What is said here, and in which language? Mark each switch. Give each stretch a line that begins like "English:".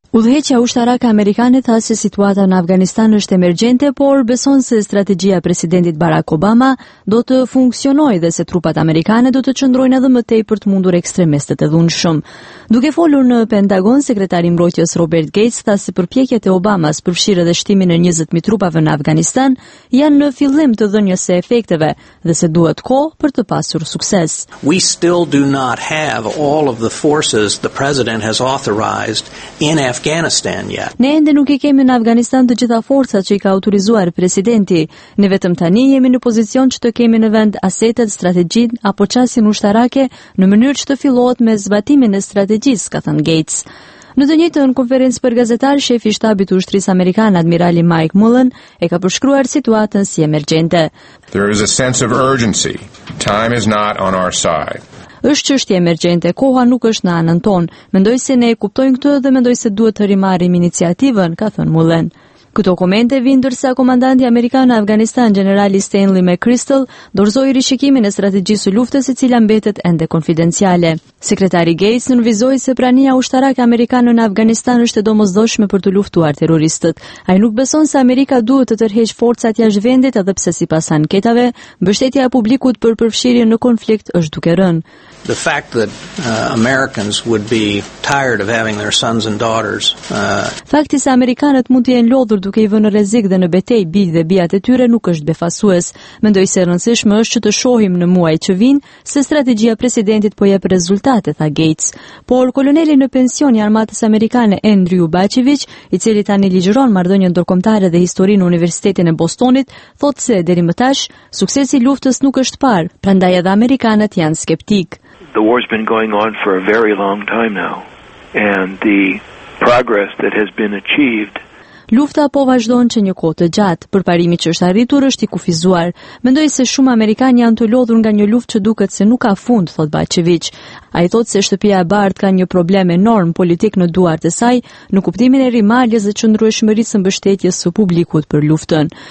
Albanian: Udhëheqja ushtarak amerikane tha se situata në Afganistan është emergjente, por beson se strategjia e presidentit Barack Obama do të funksionojë dhe se trupat amerikane do të qëndrojnë edhe më tej për të mundur ekstremistët e dhunshëm. Duke folur në Pentagon, sekretari i mbrojtjes Robert Gates tha se përpjekjet e Obamas për fshirje dhe shtimin e 20,000 trupave në Afganistan janë në fillim të dhënjes së efekteve dhe se duhet kohë për të pasur sukses.
English: We still do not have all of the forces the president has authorized in Afghanistan yet.
Albanian: Ne ende nuk i kemi në Afganistan të gjitha forcat që i ka autorizuar presidenti. Ne vetëm tani jemi në pozicion që të kemi në vend asetet, strategjin apo qasjen ushtarake në mënyrë që të fillohet me zbatimin e strategjisë, ka thënë Gates. Në të njëjtën konferencë për gazetar, shefi i shtabit ushtrisë amerikan admirali Mike Mullen e ka përshkruar situatën si emergjente.
English: There is a sense of urgency. Time is not on our side.
Albanian: Është çështje emergjente, koha nuk është në anën tonë. Mendoj se ne e kuptojmë këtë dhe mendoj se duhet të rimarrim iniciativën, ka thënë Mullen. Këto komente vijnë ndërsa komandanti amerikan në Afganistan, generali Stanley McChrystal, dorëzoi rishikimin e strategjisë së luftës, e cila mbetet ende konfidenciale. Sekretari Gates nënvizoi se prania ushtarake amerikane në Afganistan është e domosdoshme për të luftuar terroristët. Ai nuk beson se Amerika duhet të tërheqë forcat jashtë vendit, edhe pse sipas anketave, mbështetja e publikut për përfshirjen në konflikt është duke rënë.
English: The fact that Americans would be tired of having their sons and daughters.
Albanian: Fakti se amerikanët mund të jenë lodhur duke i vënë rrezik dhe në betejë bijtë dhe bijat e tyre nuk është befasues. Mendoj se rëndësishme është që të shohim në muajt që vijnë se strategjia e presidentit po jep rezultate, tha Gates. Por koloneli në pension i armatës amerikane Andrew Bacevic, i cili tani ligjëron marrëdhënien ndërkombëtare dhe historinë në Universitetin e Bostonit, thotë se deri më tash suksesi i luftës nuk është parë, prandaj edhe amerikanët janë skeptik.
English: The war's been going on for a very long time now, and the progress that has been achieved.
Albanian: Lufta po vazhdon që një kohë të gjatë, përparimi që është arritur është i kufizuar. Mendoj se shumë amerikanë janë të lodhur nga një luftë që duket se nuk ka fund, thot Bacevic. Ai thot se shtëpia e bardhë ka një problem enorm politik në duart e saj, në kuptimin e rimaljes dhe qëndrueshmërisë së mbështetjes së publikut për luftën.